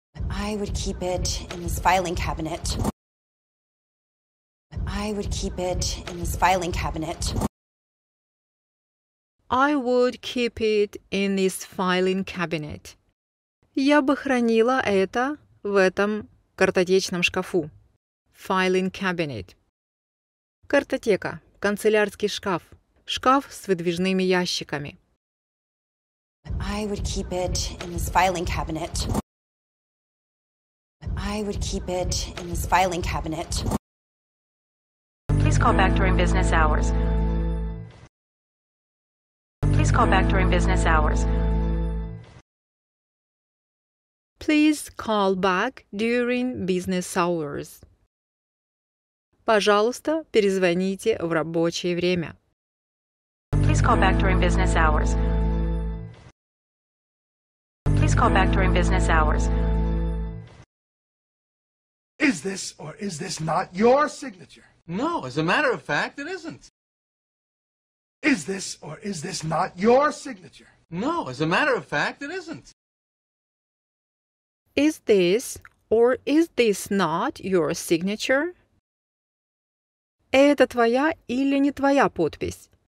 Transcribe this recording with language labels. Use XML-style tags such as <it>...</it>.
<en>I would keep it in this filing cabinet. I would keep it in this filing cabinet. I would keep it in this filing cabinet.</en> <ru>Я бы хранила это в этом картотечном шкафу.</ru> <en>Filing cabinet.</en> <ru>Картотека. Канцелярский шкаф. Шкаф с выдвижными ящиками.</ru> <en>I would keep it in this filing cabinet. I would keep it in this filing cabinet. Please call back during business hours. Please call back during business hours. Please call back during business hours.</en> <ru>Пожалуйста, перезвоните в рабочее время.</ru> <en>Please call back during business hours. Please call back during business hours. Is this or is this not your signature? No, as a matter of fact, it isn't. Is this or is this not your signature? No, as a matter of fact, it isn't. Is this or is this not your signature?</en> <ru>Это твоя или не твоя подпись?</ru>